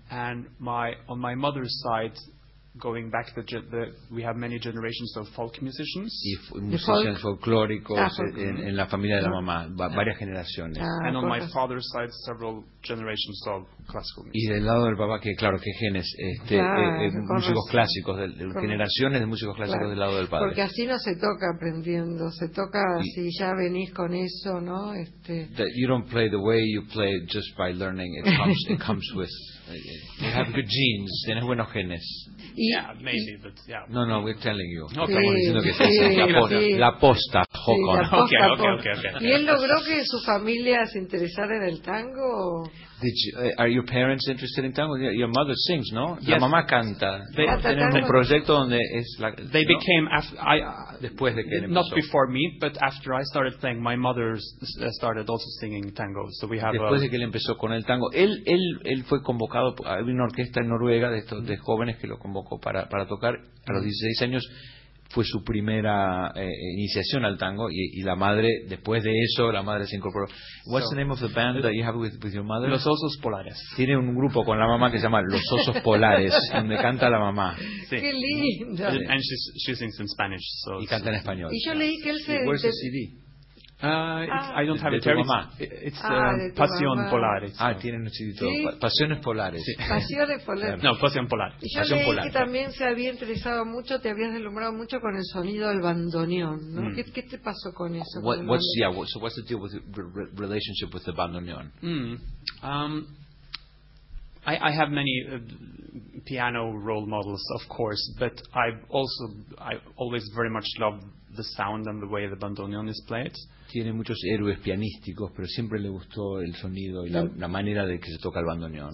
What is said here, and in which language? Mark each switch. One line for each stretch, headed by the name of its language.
English: And on my mother's side, going back the we have many generations of folk musicians.
Spanish: Y musicians folclóricos en la familia de la mamá, varias generaciones.
English: And on my father's side, several generations of classical music.
Spanish: Y del lado del papá, que claro, que genes, músicos clásicos, generaciones de músicos clásicos, claro, del lado del padre. Porque así no se toca aprendiendo, se toca si ya venís con eso, ¿no?
English: That you don't play the way you play just by learning. It comes with. You have good genes,
Spanish: tienes buenos genes.
English: Yeah, maybe, but yeah. No, we're telling you. Okay.
Spanish: Estamos diciendo que es la posta, Jocón.
English: Okay.
Spanish: ¿Y él logró que su familia se interesara en el tango?
English: Are your parents interested in tango? Your mother sings, no? Yes.
Spanish: La mamá canta. Tienen un proyecto donde es la.
English: They became
Spanish: después de que
English: not
Spanish: empezó.
English: Before me, but after I started playing, my mother started also singing tango. So we have.
Spanish: Después de que él empezó con el tango, él fue convocado a una orquesta en Noruega de jóvenes que lo convocó para tocar a los 16 años. Fue su primera iniciación al tango y la madre, después de eso, la madre se incorporó.
English: What's the name of the band that you have with your mother?
Spanish: Los Osos Polares. Tiene un grupo con la mamá que se llama Los Osos Polares, donde canta la mamá. Sí. Qué lindo.
English: And she sings in Spanish. So,
Spanish: y canta en español. Y yo leí que él se...
English: Where's the CD? I don't have
Spanish: de tu mamá. Pasión Polares. Ah, tienen un chiquito. ¿Sí? Pasiones Polares. Sí. Pasiones Polares. No, Pasión Polar. Y yo pasión leí polar, que también se había interesado mucho, te habías deslumbrado mucho con el sonido del bandoneón, ¿no? Mm. ¿Qué te pasó con eso?
English: What's the deal with the relationship with the bandoneón? I have many piano role models, of course, but I always very much love the sound and the way the bandoneon is played.
Spanish: Tiene muchos héroes pianísticos, pero siempre le gustó el sonido y la manera de que se toca el bandoneon.